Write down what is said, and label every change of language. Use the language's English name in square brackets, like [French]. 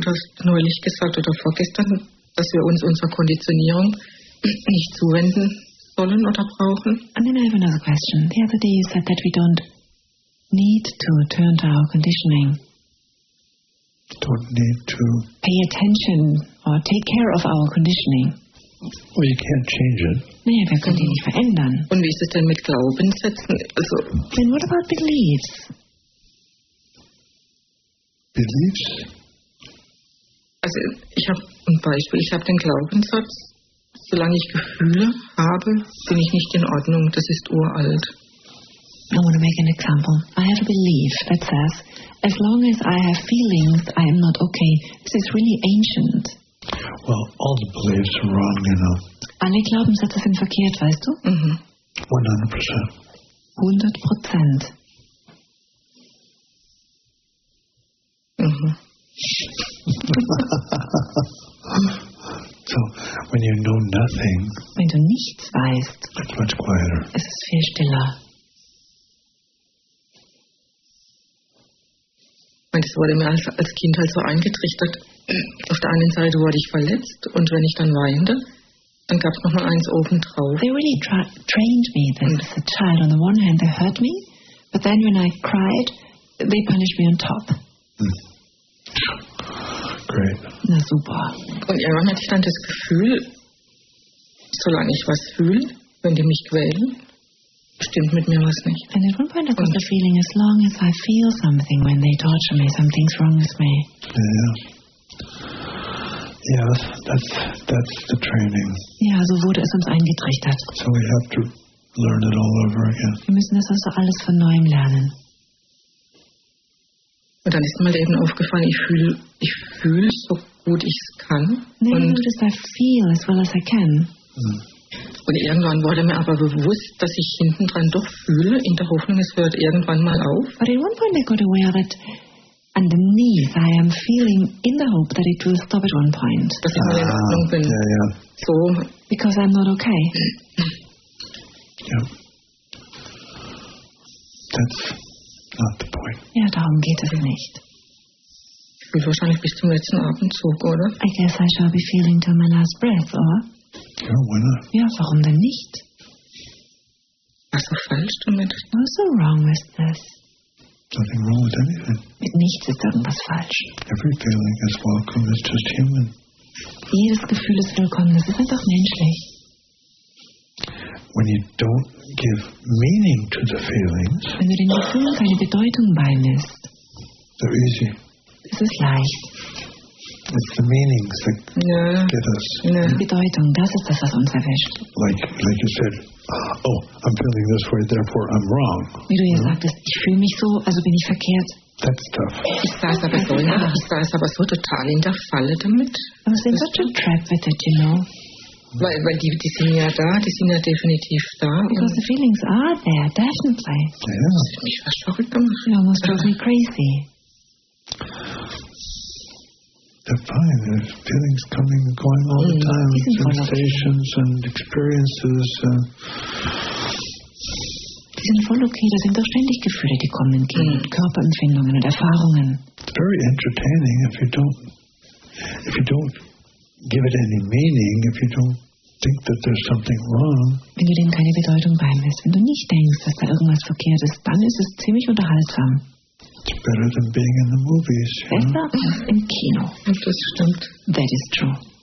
[German] Du hast neulich gesagt oder vorgestern, dass wir uns unserer Konditionierung nicht zuwenden sollen oder brauchen. [English] And then I have another question. The other day you said that we don't need to turn to our conditioning. Don't need to pay attention or take care of our conditioning. Well, you can't change it. [German] Naja, wir können die nicht verändern. Und wie ist es denn mit Glaubenssätzen? Also, [English] then what about beliefs? Beliefs? [German] Also, ich habe ein Beispiel. Ich habe den Glaubenssatz, solange ich Gefühle habe, bin ich nicht in Ordnung. Das ist uralt. [English] I want to make an example. I have a belief that says, as long as I have feelings, I am not okay. This is really ancient. Well, all the beliefs are wrong, you know. [German] Alle Glaubenssätze sind verkehrt, weißt du? 100%. [English] 100%. So, when you know nothing, [German] wenn du nichts weißt, [English] it's much quieter. [German] Es ist viel stiller. Das wurde mir als Kind halt so eingetrichtert. Auf der einen Seite wurde ich verletzt und wenn ich dann weinte, dann gab es noch mal eins oben drauf. [English] They really trained me then as a child. On the one hand, they hurt me, but then when I cried, they punished me on top. Great. [German] Na super. Und irgendwann hatte ich dann das Gefühl, solange ich was fühle, wenn die mich quälen, stimmt mit mir was nicht. [English] And at one point I got the feeling, as long as I feel something when they torture me, something's wrong with me. Yeah, that's the training. [German] Ja, so wurde es uns eingetrichtert. [English] So we have to learn it all over again. [German] Wir müssen das also alles von neuem lernen. Und dann ist mir eben aufgefallen, ich fühle so gut ich es kann. [English] I feel as well as I can. [German] Und irgendwann wurde mir aber bewusst, dass ich hinten dran doch fühle, in der Hoffnung, es hört irgendwann mal auf. [English] But at one point I got aware that underneath I am feeling in the hope that it will stop at one point. [German] Dass ich mal in Ordnung bin. [English] Yeah, yeah. So. Because I'm not okay. Yeah. That's not the point. [German] Ja, darum geht es nicht. Ich fühle wahrscheinlich bis zum letzten Atemzug, oder? [English] I guess I shall be feeling till my last breath, or? Ja, why not? [German] Ja, warum denn nicht? Was ist falsch damit? [English] What's so wrong with this? Nothing wrong with anything. [German] Mit nichts ist irgendwas falsch. [English] Every feeling is welcome, it's just human. [German] Jedes Gefühl ist willkommen, es ist einfach menschlich. [English] When you don't give meaning to the feelings, [German] wenn du den Gefühlen keine Bedeutung beimisst, [English] they're easy. [German] Es ist leicht. [English] It's the meanings that get us. Yeah. [German] Die Bedeutung, das ist das, was uns erwischt. [English] Like you said, oh, I'm feeling this way, therefore I'm wrong. [German] Wie du ja sagtest, ich fühle mich so, also bin ich verkehrt. [English] That's tough. [German] Ich saß aber so total in der Falle damit. [English] I was in such a trap with it, you know. [German] Weil die sind ja da, die sind ja definitiv da. [English] Because the feelings are there, definitely. Yeah. [German] Das hat mich fast verrückt gemacht. [English] You almost drove me crazy. They're fine. There's feelings coming and going all the time. Sensations and experiences. [German] Die sind voll okay. Da sind doch ständig Gefühle, die kommen und gehen. Körperempfindungen und Erfahrungen. [English] It's very entertaining if you don't give it any meaning, if you don't think that there's something wrong. [German] Wenn du dem keine Bedeutung beimisst, wenn du nicht denkst, dass da irgendwas verkehrt ist, dann ist es ziemlich unterhaltsam. [English] It's better than being in the movies. [German] Besser als im Kino. Und das stimmt. [English] That is true.